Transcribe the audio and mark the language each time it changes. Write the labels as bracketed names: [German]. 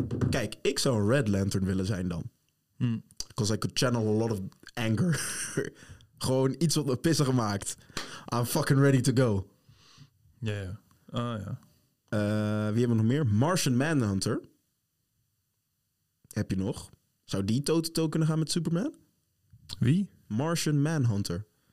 [Dutch] Kijk, ik zou een red lantern willen zijn dan. [English] Because I could channel a lot of anger. [Dutch] Gewoon iets wat me pissig maakt. [English] I'm fucking ready to go. [Dutch] Ja, ja. Ah, ja. Wie hebben we nog meer? Martian Manhunter. Heb je nog? Zou die toe-to-toe kunnen gaan met Superman? Wie? Martian Manhunter.